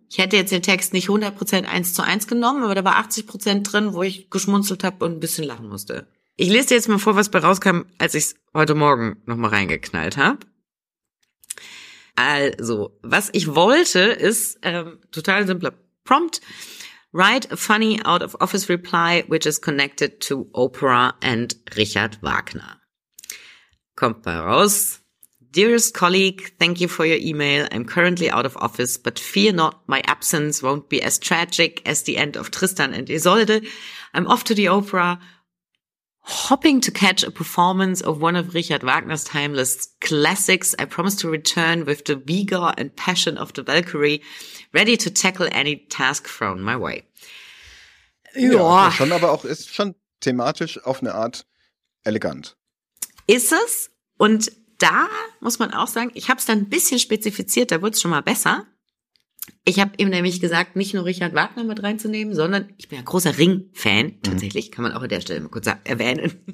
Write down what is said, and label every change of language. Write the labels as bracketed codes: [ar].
[de] Ich hätte jetzt den Text nicht 100% 1:1 genommen, aber da war 80% drin, wo ich geschmunzelt habe und ein bisschen lachen musste. Ich lese dir jetzt mal vor, was bei rauskam, als ich es heute Morgen nochmal reingeknallt habe. Also, was ich wollte, ist total simpler Prompt. [en] Write a funny out-of-office reply, which is connected to Oprah and Richard Wagner. [de] Kommt bei raus. [en] Dearest colleague, thank you for your email. I'm currently out of office, but fear not, my absence won't be as tragic as the end of Tristan and Isolde. I'm off to the opera, hopping to catch a performance of one of Richard Wagner's timeless classics. I promise to return with the vigor and passion of the Valkyrie, ready to tackle any task thrown my way. [de] Ja, schon, aber auch ist schon thematisch auf eine Art elegant. Ist es? Und da muss man auch sagen, ich habe es dann ein bisschen spezifiziert, da wurde es schon mal besser. Ich habe ihm nämlich gesagt, nicht nur Richard Wagner mit reinzunehmen, sondern ich bin ja großer Ring-Fan, tatsächlich, kann man auch an der Stelle mal kurz erwähnen.